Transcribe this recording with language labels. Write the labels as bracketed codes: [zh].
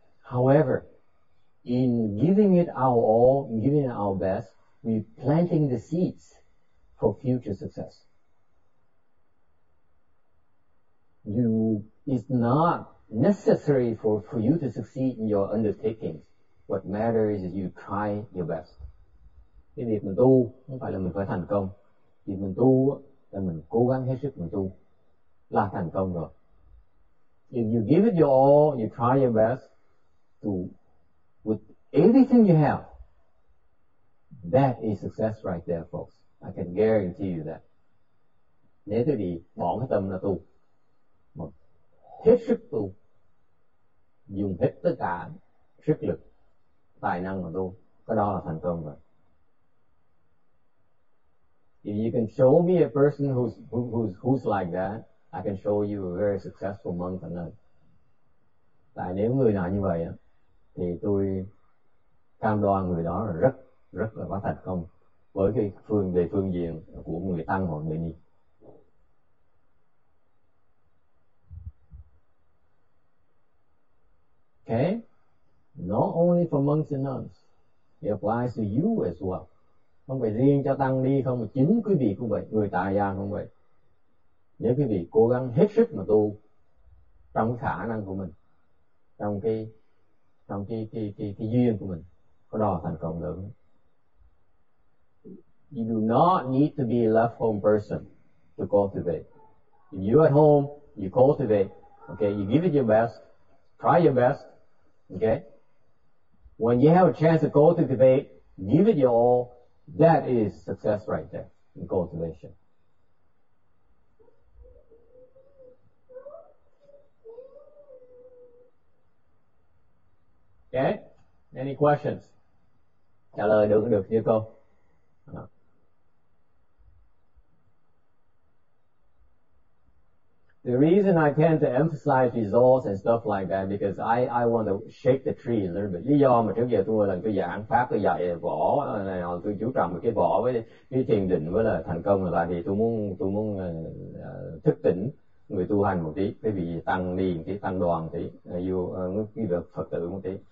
[en] However, in giving it our all, in giving it our best, we're planting the seeds for future success. It's not necessary for you to succeed in your undertakings. What matters is you try your best. [vi] Cái việc mình tu không phải là mình phải thành công. Việc mình tu là mình cố gắng hết sức mình tu là thành công rồi. [en] If you give it your all, you try your best to with everything you have, that is success right there, folks. I can guarantee you that. [vi] Nếu tôi đi bỏ cái tâm là tu, hết sức tu, dùng hết tất cả sức lực, tài năng mà tu, cái đó là thành công rồi. [en] If you can show me a person who's like that, I can show you a very successful monk and nun. [vi] Tại nếu người nào như vậy á, thì tôi cam đoan người đó rất rất là quá thành công với cái phương về phương diện của người tăng hoặc người ni. [en] Okay, not only for monks and nuns, it applies to you as well. [vi] Không phải riêng cho tăng ni không, mà chính quý vị cũng vậy, người tại gia cũng vậy. Nếu quý vị cố gắng hết sức mà tu trong khả năng của mình, trong cái duyên của mình, có đó thành công lớn. [en] You do not need to be a left home person to cultivate. If you're at home, you cultivate. Okay, you give it your best, try your best. Okay, when you have a chance to cultivate, give it your all. That is success right there in cultivation. Okay, any questions? [vi] Trả lời được cũng được chứ cô. [en] The reason I tend to emphasize results and stuff like that because I want to shake the tree a little bit. [vi] Lý do mà trước giờ tôi là tôi giảng pháp, tôi dạy vỏ này, tôi chú trọng cái vỏ với cái thiền định với là thành công là tại vì tôi muốn thức tỉnh người tu hành một tí, cái vị tăng ni một tí, tăng đoàn một tí, cái được Phật tử một tí.